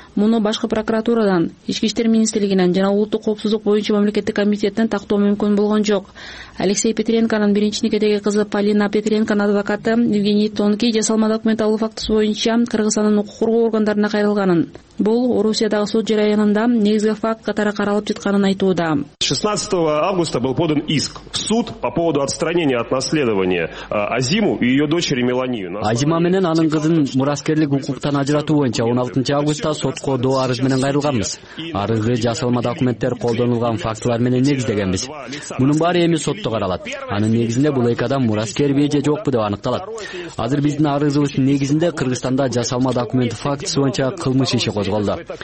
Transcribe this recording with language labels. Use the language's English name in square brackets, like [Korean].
[Kyrgyz] Муну башкы прокуратурадан, Ички иштер министрлигинен жана улуттук коопсуздук боюнча мамлекеттик комитеттен тактоо мүмкүн болгон жок. Алексей Петренконун биринчи никедеги кызы Полина Петренконун адвокаты Евгений Тонкий жасалма документ алуу фактысы боюнча Кыргызстандын укук коргоо органдарына кайрылганын, бул Орусиядагы сот жараянында негизги факт катары каралып жатканын айтууда. [Russian] 16 августа был подан иск в суд по поводу отстранения от наследования Азиму и ее дочери Меланию. [Kyrgyz] Азима менен анын кызын мураскерлик укуктан ажыратуу боюнча 16 августта сотко доо арыз менен кайрылганбыз. Арызды жасалма документтер колдонулган фактылар менен негиздегенбиз. Мунун баары эми сотто каралат. Анын негизинде бул эки адам мураскерби же жокпу деп аныкталат. Азыр биздин арызыбыз негизинде Кыргызстанда жасалма документ фактысы боюнча кылмыш иши козголду.